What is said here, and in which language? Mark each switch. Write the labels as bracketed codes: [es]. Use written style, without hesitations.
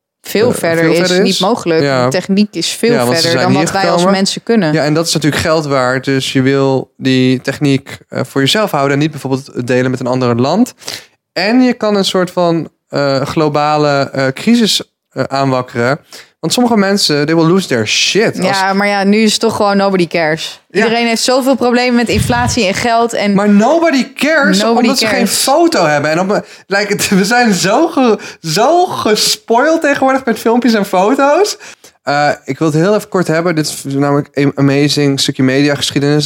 [nl] Veel verder is. Niet mogelijk. Ja. De techniek is veel verder dan wat wij als mensen kunnen. Ja, en dat is natuurlijk geld waard. Dus je wil die techniek voor jezelf houden en niet bijvoorbeeld delen met een ander land. En je kan een soort van globale crisis aanwakkeren. Want sommige mensen, [en] they will lose their shit. [nl] Ja, nu is het toch gewoon [en] nobody cares. [nl] Ja. Iedereen heeft zoveel problemen met inflatie en geld. En maar [en] nobody cares nobody [nl] omdat cares. Ze geen foto hebben. En we zijn zo gespoild tegenwoordig met filmpjes en foto's. Ik wil het heel even kort hebben. Dit is namelijk een amazing stukje mediageschiedenis.